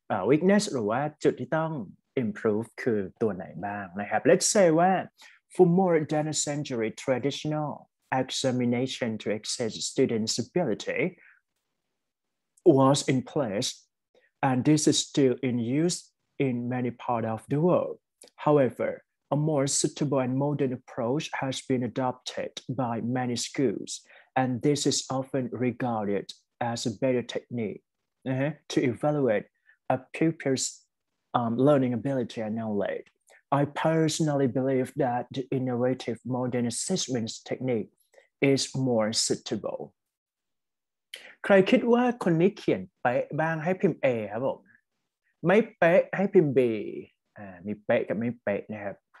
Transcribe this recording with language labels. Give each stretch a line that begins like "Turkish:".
English: weakness
Thai: หรือว่าจุดที่ต้อง improve คือตัวไหนบ้างนะครับ
English: let's say ว่า for more than a century traditional examination to assess students' ability was in place and this is still in use in many parts of the world However, a more suitable and modern approach has been adopted by many schools, and this is often regarded as a better technique to evaluate a pupil's learning ability and knowledge. I personally believe that the innovative modern assessments technique is more suitable.
Thai: ใครคิดว่าคนนี้เขียนเป๊ะบ้างให้พิมพ์ A ครับผมไม่เป๊ะให้พิมพ์ B มีเป๊ะกับไม่เป๊ะนะครับ